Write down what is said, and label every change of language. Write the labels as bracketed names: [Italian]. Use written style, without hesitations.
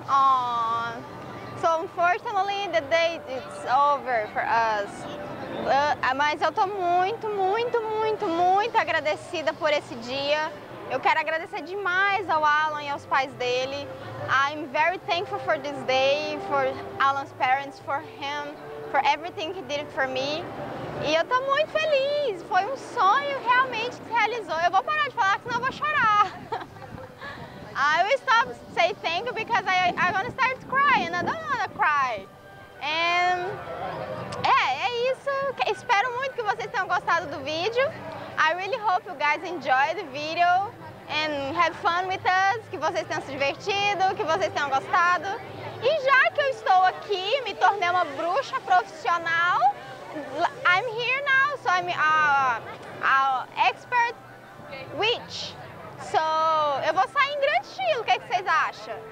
[English] Oh. So unfortunately the day it's over for us. [Portuguese] Mas eu tô muito, muito, muito, muito agradecida por esse dia. Eu quero agradecer demais ao Alan e aos pais dele. [English] I'm very thankful for this day, for Alan's parents, for him, for everything he did for me. [Portuguese] E eu tô muito feliz. Foi um sonho realmente que se realizou. Eu vou parar de falar, senão eu vou chorar. [English] I will stop say thank you because I'm gonna start crying. I don't wanna cry. [Portuguese] And é isso. Espero muito que vocês tenham gostado do vídeo. [English] I really hope you guys enjoy the video and have fun with us. [Portuguese] Que vocês tenham se divertido, que vocês tenham gostado. E já que eu estou aqui, me tornei uma bruxa profissional. [English] I'm here now, so I'm a expert witch. [Portuguese] So, eu vou sair em grande estilo, o que vocês acham?